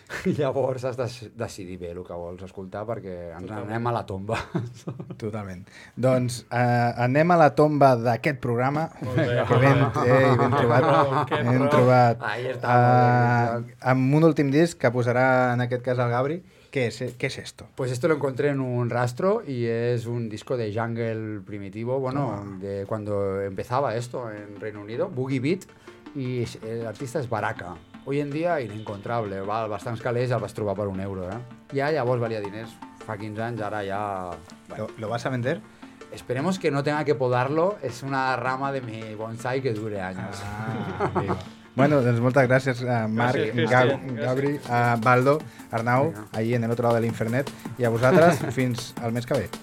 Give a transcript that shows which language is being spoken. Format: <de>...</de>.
<ca>I llavors has de decidir bé el que vols escoltar perquè ens totalment. Anem a la tomba. Totalment. Doncs anem a la tomba d'aquest programa. Ben trobat.</ca> <es>Ahí está. Amb</es> <ca>un últim disc que posarà en aquest cas el Gabri.</ca> <es>¿Qué es esto? Pues esto lo encontré en un rastro y es un disco de jungle primitivo, bueno, de cuando empezaba esto en Reino Unido, Boogie Beat, y el artista es Baraka. Hoy en día, inencontrable,</es> <ca>val bastants calés, el vas trobar per un euro, ¿eh? Ya, llavors valía diners, fa 15 anys, ara ja...</ca> <es>Bueno. ¿Lo vas a vender? Esperemos que no tenga que podarlo, es una rama de mi bonsai que dure años.</es> <ca>Ah, bueno, doncs moltes gràcies a Marc, Gabri, a Baldo, Arnau,</ca> <es>allí en el otro lado</es> <ca>de l'internet, i a vosaltres, fins al mes que ve.</ca>